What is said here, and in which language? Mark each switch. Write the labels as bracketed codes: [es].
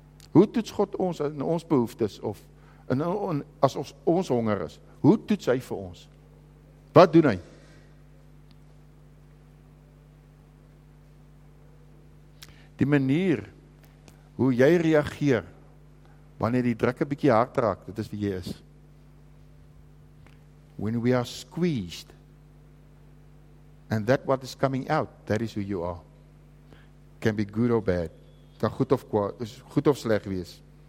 [af] Hoe toets God ons in ons behoeftes of in as ons honger is? Hoe toets hy vir ons? Wat doen hy? Die manier hoe jy reageer wanneer die druk 'n bietjie hard raak, dit is wie jy is. [en] When we are squeezed and that what is coming out, that is who you are. Can be good or bad. [af] Kan goed of kwaad, goed of sleg wees.